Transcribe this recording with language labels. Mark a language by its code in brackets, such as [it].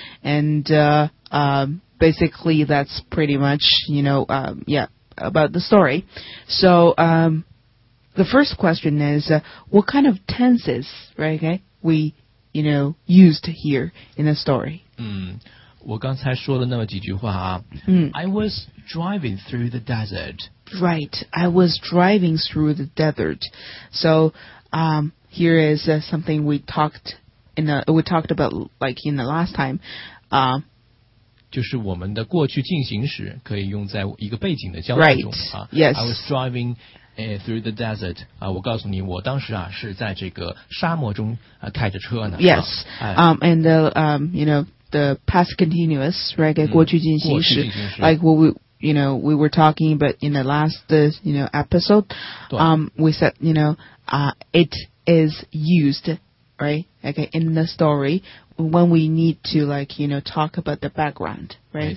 [en] And, basically, that's pretty much, you know, about the story. So, the first question is, what kind of tenses, right, okay, we, you know, used here in the story? [zh] 我刚才说了那么几句话啊。 [en] I was driving through the desert. Right, I was driving through the desert. So, here is something we talked in the, we talked about, like, in the last time. [zh] 就是我们的过去进行时可以用在一个背景的交代中、 [en] right. 啊。 Yes. I was driving through the desert. [zh] 啊，我告诉你，我当时啊是在这个沙漠中开着车呢。 [en] Yes. 啊、and you know, the past continuous, right? 过去进行时, like what we were talking about in the last, episode. We said, it is used, right? Okay, in the story when we need to, like, talk about the background, right?